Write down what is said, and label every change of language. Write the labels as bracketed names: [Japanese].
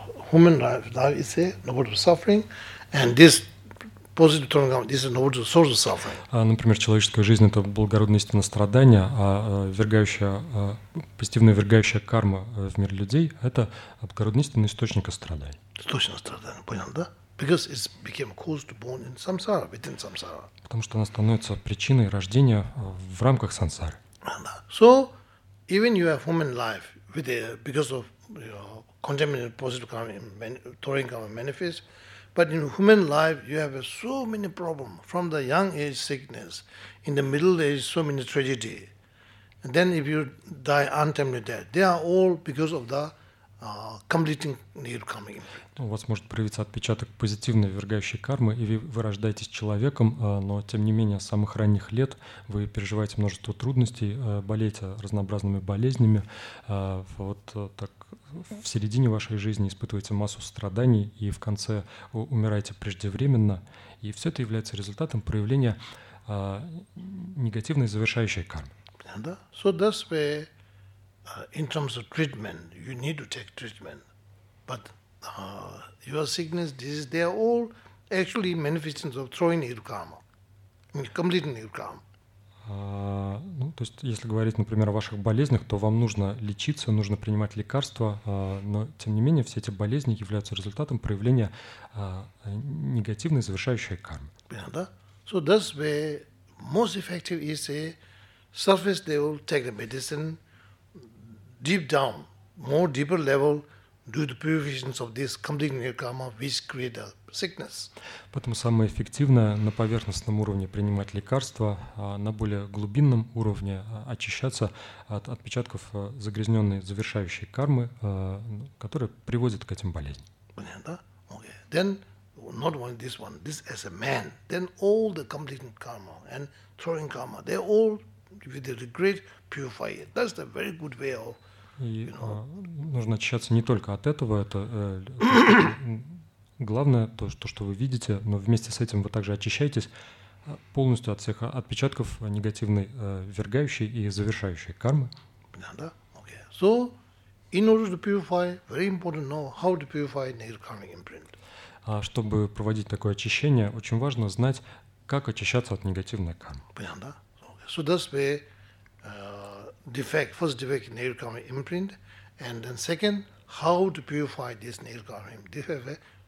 [English] Human life, life is a noble truth of suffering, and this positive throwing karma, this is noble truth of source of suffering. [Russian] Например, человеческая жизнь – это благородная истина страдания, а ввергающая, позитивная ввергающая карма в мир людей – это благородная истина источника страданий. Источник страдания, понял, да? [English] Because it became cause to born in samsara, within samsara. [Russian] Потому что она становится причиной рождения в рамках сансары. [English] So, even you have human life with a, because of contaminated positive karma, throwing karma manifest, but in human life, you have so many problems from the young age sickness, in the middle age so many tragedy, and then if you die untimely death, they are all because of the completing negative karma. [Russian] У вас может проявиться отпечаток позитивной ввергающей кармы, и вы рождаетесь человеком, но тем не менее с самых ранних лет вы переживаете множество трудностей, болеете разнообразными болезнями, вот так. В середине вашей жизни испытываете массу страданий и в конце умираете преждевременно. И все это является результатом проявления негативной завершающей кармы. [English] So that's where, in terms of treatment, you need to take treatment. But your sickness, disease, they are all actually manifestations of throwing negative karma, completing negative karma. [Russian] Ну, то есть, если говорить, например, о ваших болезнях, то вам нужно лечиться, нужно принимать лекарства, но, тем не менее, все эти болезни являются результатом проявления негативной завершающей кармы. Yeah, да? [English] So that's where most effective is a surface level, take the medicine, deep down, more deeper level, due to purifications of this complete new karma, which create a sickness. [Russian] Поэтому самое эффективное на поверхностном уровне принимать лекарства, а на более глубинном уровне очищаться от отпечатков загрязненной завершающей кармы, которая приводит к этим болезням. Понятно, да? Okay. [English] Then, not only this one, this as a man, then all the complete karma and throwing karma, they all, with the regret, purify it. That's the very good way of [Russian] И нужно очищаться не только от этого, это главное, то, что вы видите, но вместе с этим вы также очищаетесь полностью от всех отпечатков негативной, ввергающей и завершающей кармы. Да. Okay. [English] So, in order to purify, very important know how to purify negative karmic imprint. [Russian] Чтобы проводить такое очищение, очень важно знать, как очищаться от негативной кармы. Понятно? Okay. [English] So that's where defect, first defect in negative karmic imprint, and then second, how to purify this negative karmic imprint.